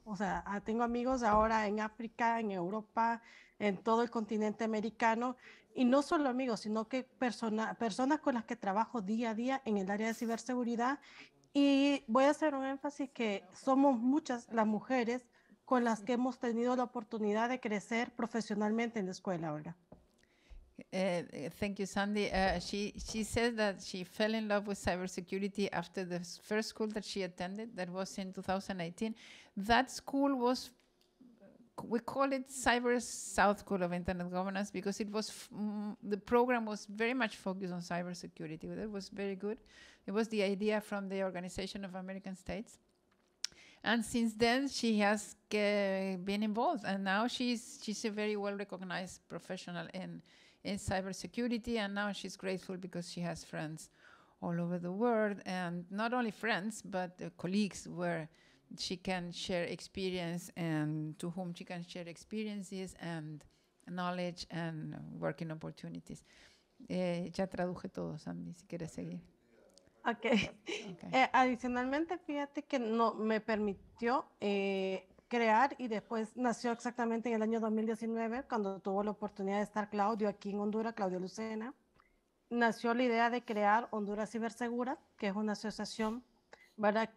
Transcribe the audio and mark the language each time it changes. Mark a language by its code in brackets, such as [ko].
[es] O sea, tengo amigos ahora en África, en Europa, en todo el continente americano, y no solo amigos, sino que personas con las que trabajo día a día en el área de ciberseguridad. Y voy a hacer un énfasis que somos muchas las mujeres con las que hemos tenido la oportunidad de crecer profesionalmente en la escuela, Olga. [en] Thank you, Sandy. She says that she fell in love with cybersecurity after the first school that she attended, that was in 2018. That school was, we call it Cyber South School of Internet Governance, because it was the program was very much focused on cybersecurity. That was very good. It was the idea from the Organization of American States. And since then, she has been involved. And now she's a very well-recognized professional in cybersecurity. And now she's grateful because she has friends all over the world. And not only friends, but colleagues where she can share experience and to whom she can share experiences and knowledge and working opportunities. [es] Ya traduje todo, Sandy, si quieres seguir. Ok. Adicionalmente, fíjate que no me permitió crear y después nació exactamente en el año 2019, cuando tuvo la oportunidad de estar Claudio aquí en Honduras, Claudio Lucena. Nació la idea de crear Honduras Cibersegura, que es una asociación, ¿verdad?